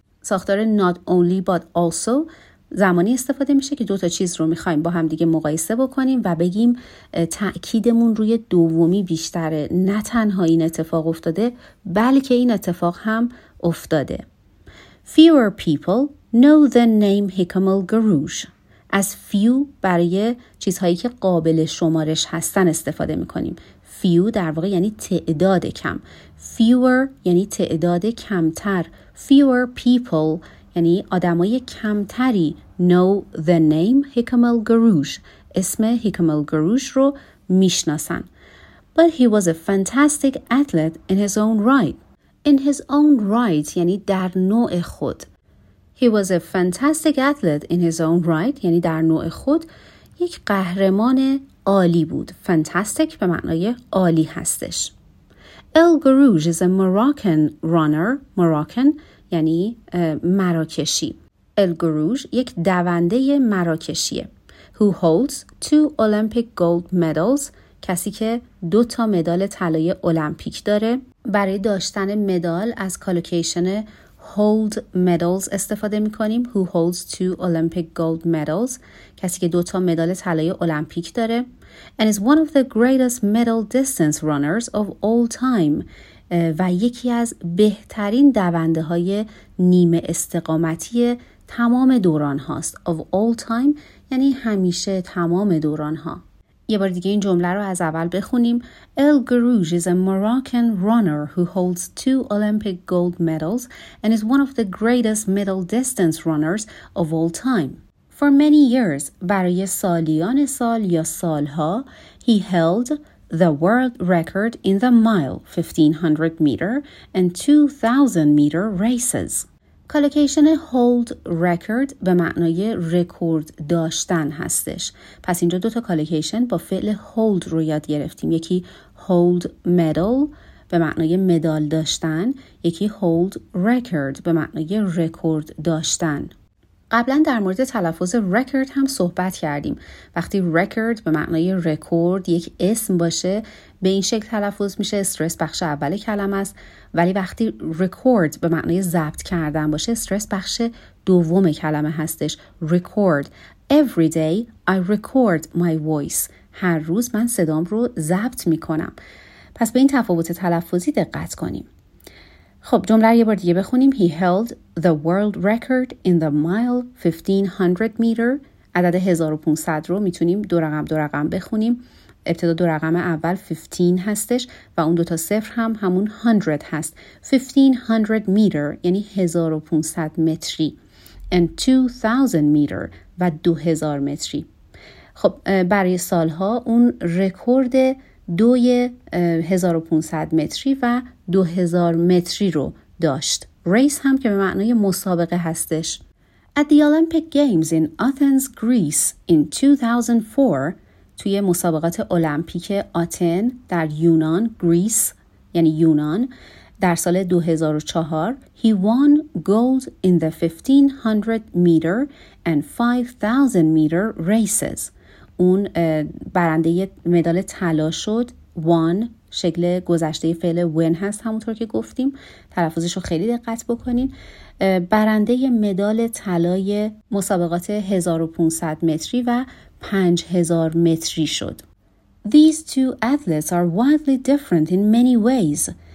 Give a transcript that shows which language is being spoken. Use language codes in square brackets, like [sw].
[fa] ساختار [en] not only but also [fa] زمانی استفاده میشه که دوتا چیز رو میخواییم با هم دیگه مقایسه بکنیم و بگیم تأکیدمون روی دومی بیشتره، نه تنها این اتفاق افتاده بلکه این اتفاق هم افتاده. [en] Fewer people know the name Hikamal Gurush. [fa] As few برای چیزهایی که قابل شمارش هستن استفاده میکنیم. Few در واقع یعنی تعداد کم. Fewer یعنی تعداد کمتر. [en] Fewer people [fa] یعنی آدمای کمتری [en] know the name Hikamal Gurush. [fa] اسم Hikamal Gurush رو میشناسن. [en] But he was a fantastic athlete in his own right. [fa] In his own right یعنی در نوع خود. [en] He was a fantastic athlete in his own right [fa] یعنی در نوع خود یک قهرمان عالی بود. Fantastic به معنای عالی هستش. [en] El Gurush is a Moroccan runner. [fa] Moroccan یعنی مراکشی. El Gurush یک دونده مراکشیه. [en] Who holds two Olympic gold medals، [fa] کسی که دو تا مدال طلای المپیک داره. برای داشتن مدال از کالوکیشن hold medals استفاده می‌کنیم. [en] Who holds two Olympic gold medals، [fa] کسی که دو تا مدال طلای المپیک داره. [en] And is one of the greatest medal distance runners of all time، [fa] و یکی از بهترین دونده‌های نیمه استقامتی تمام دوران هاست. Of all time یعنی همیشه تمام دوران ها. یه بار دیگه این جمله رو از اول بخونیم. [en] El Gurush is a Moroccan runner who holds two Olympic gold medals and is one of the greatest middle distance runners of all time. For many years، [fa] برای سالیان سال یا سالها، [en] he held the world record in the mile 1500 meter and 2000 meter races. [fa] کالوکیشن hold record به معنای رکورد داشتن هستش. پس اینجا دوتا کالوکیشن با فعل hold رو یاد گرفتیم. یکی hold medal به معنای مدال داشتن، یکی hold record به معنای رکورد داشتن. قبلا در مورد تلفظ record هم صحبت کردیم. وقتی record به معنای رکورد یک اسم باشه به این شکل تلفظ میشه، استرس بخش اول کلمه است. ولی وقتی record به معنای ضبط کردن باشه استرس بخش دوم کلمه هستش. [en] record. Every day I record my voice. [fa] هر روز من صدام رو ضبط میکنم. پس به این تفاوت تلفظی دقت کنیم. خب جمله یه بار دیگه بخونیم. [en] He held the world record in the mile 1500 meter. [fa] عدد 1500 رو میتونیم دو رقم دو رقم بخونیم. ابتدا دو رقم اول 15 هستش و اون دوتا صفر هم همون 100 هست. 1500 meter یعنی 1500 متری. And 2000 meter و 2000 متری. خب برای سالها اون رکورد 2500 متری و 2000 متری رو داشت. ریس هم که به معنای مسابقه هستش. [en] At the Olympic Games in Athens, Greece in 2004، [fa] توی مسابقات المپیک آتن در یونان، گریس یعنی یونان، در سال 2004، [en] he won gold in the 1500 meter and 5000 meter races. [fa] اون برنده مدال طلا شد. won شکل گذشته فعل win هست، همونطور که گفتیم. تلفظش رو خیلی دقت بکنین. برنده مدال طلای مسابقات 1500 متری و 5000 متری شد. [en] These two athletes are wildly different in many ways.